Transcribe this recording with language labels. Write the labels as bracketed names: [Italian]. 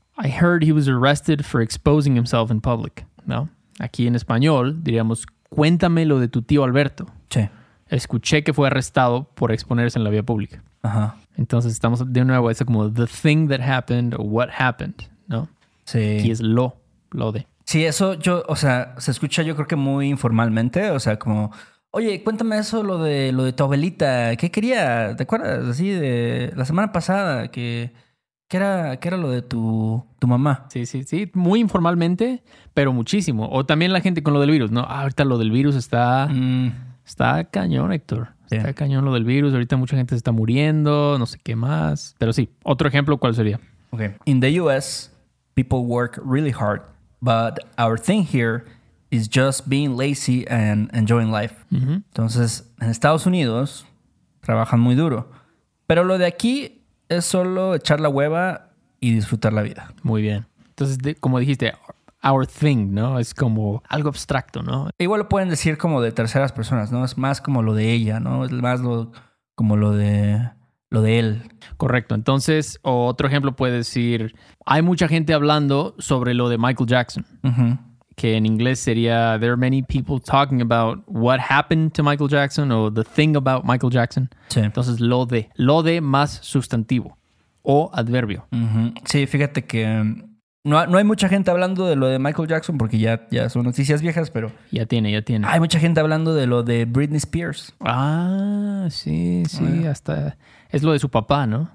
[English] I heard he was arrested for exposing himself in public. [Spanish] ¿No? Aquí en español diríamos, cuéntame lo de tu tío Alberto. Sí. Escuché que fue arrestado por exponerse en la vía pública. Ajá. Entonces estamos de nuevo, es como [English] the thing that happened [Spanish] o [English] what happened, [Spanish] ¿no? Sí. Aquí es lo de. Sí, eso yo, o sea, se escucha yo creo que muy informalmente, o sea, como, oye, cuéntame eso, lo de tu abuelita, ¿qué quería? ¿Te acuerdas? Así de la semana pasada, ¿qué era lo de tu mamá? Sí, sí, sí, muy informalmente, pero muchísimo. O también la gente con lo del virus, ¿no? Ah, ahorita lo del virus está... Está cañón, Héctor. Está cañón lo del virus. Ahorita mucha gente se está muriendo, no sé qué más. Pero sí, otro ejemplo, ¿cuál sería? Okay. [English] In the US, people work really hard, but our thing here is just being lazy and enjoying life. Uh-huh. [Spanish] Entonces, en Estados Unidos, trabajan muy duro. Pero lo de aquí es solo echar la hueva y disfrutar la vida. Muy bien. Entonces, como dijiste... [English] Our thing, [Spanish] ¿no? Es como algo abstracto, ¿no? Igual lo pueden decir como de terceras personas, ¿no? Es más como lo de ella, ¿no? Es más como lo de él. Correcto. Entonces, otro ejemplo puede decir... Hay mucha gente hablando sobre lo de Michael Jackson. Uh-huh. Que en inglés sería... [English] There are many people talking about what happened to Michael Jackson o the thing about Michael Jackson. [Spanish] Sí. Entonces, lo de. Lo de más sustantivo o adverbio. Uh-huh. Sí, fíjate que... No hay mucha gente hablando de lo de Michael Jackson porque ya son noticias viejas, pero... Ya tiene. Hay mucha gente hablando de lo de Britney Spears. Ah, sí, sí. Bueno. Hasta es lo de su papá, ¿no?